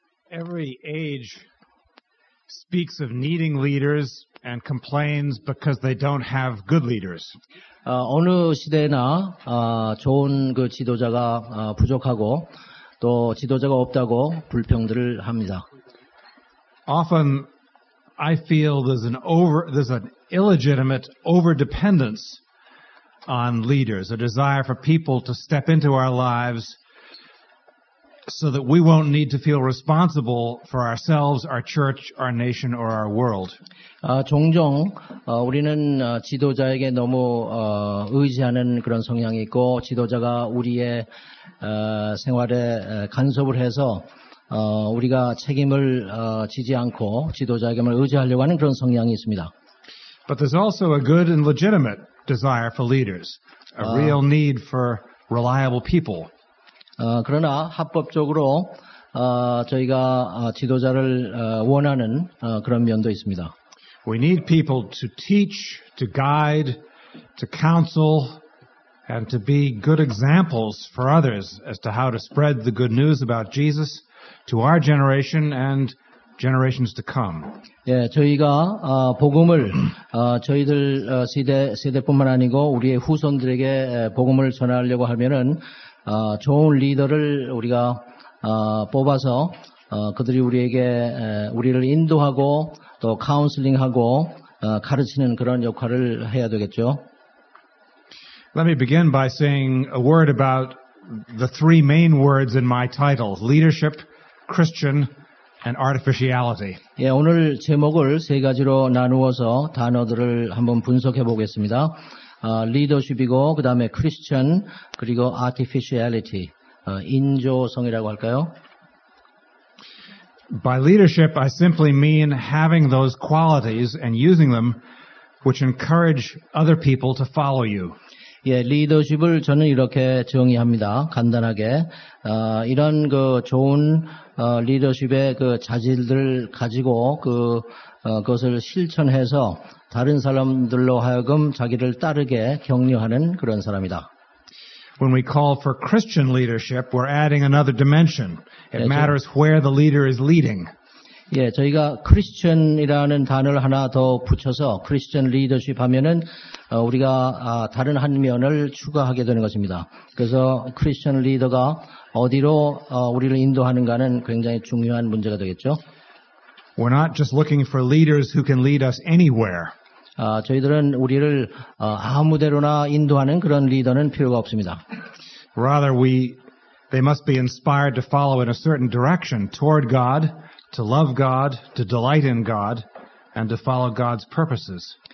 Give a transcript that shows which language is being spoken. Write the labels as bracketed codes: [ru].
[en] every age speaks of needing leaders and complains because they don't have good leaders. [ko] 어느 시대나 좋은 그 지도자가 부족하고 또 지도자가 없다고 불평들을 합니다. [en] Often I feel there's an illegitimate overdependence on leaders, a desire for people to step into our lives so that we won't need to feel responsible for ourselves, our church, our nation, or our world. [ko] 종종 우리는 지도자에게 너무 의지하는 그런 성향이 있고 지도자가 우리의 생활에 간섭을 해서 우리가 책임을 지지 않고 지도자에게만 의지하려고 하는 그런 성향이 있습니다. [en] But there's also a good and legitimate desire for leaders, a real need for reliable people. [ko] 그러나 합법적으로 저희가 지도자를 원하는 그런 면도 있습니다. [en] We need people to teach, to guide, to counsel, and to be good examples for others as to how to spread the good news about Jesus to our generation and generations to come. [ko] 예, 저희가 복음을 저희들 세대뿐만 아니고 우리의 후손들에게 복음을 전하려고 하면은 좋은 리더를 우리가 뽑아서 그들이 우리에게 우리를 인도하고 또 카운슬링하고 가르치는 그런 역할을 해야 되겠죠. [en] Let me begin by saying a word about the three main words in my title: leadership, Christian, and artificiality. [ko] 예, 오늘 제목을 세 가지로 나누어서 단어들을 한번 분석해 보겠습니다. 리더십이고 그 다음에 크리스천 그리고 artificiality, 인조성이라고 할까요? [en] By leadership, I simply mean having those qualities and using them which encourage other people to follow you. [ko] 예, 리더십을 저는 이렇게 정의합니다. 간단하게 이런 그 좋은 리더십의 그 자질들을 가지고 그것을 실천해서 다른 사람들로 하여금 자기를 따르게 격려하는 그런 사람이다. [en] When we call for Christian leadership, we're adding another dimension. It matters where the leader is leading. [ko] 예, 저희가 크리스천이라는 단어를 하나 더 붙여서 크리스천 리더십 하면은 우리가 다른 한 면을 추가하게 되는 것입니다. 그래서 크리스천 리더가 어디로 우리를 인도하는가는 굉장히 중요한 문제가 되겠죠. [en] We're not just looking for leaders who can lead us anywhere. [ko] 저희들은 우리를 아무데로나 인도하는 그런 리더는 필요가 없습니다. [en] Rather, they must be inspired to follow in a certain direction toward God. To love God, to delight in God, and to follow God's purposes.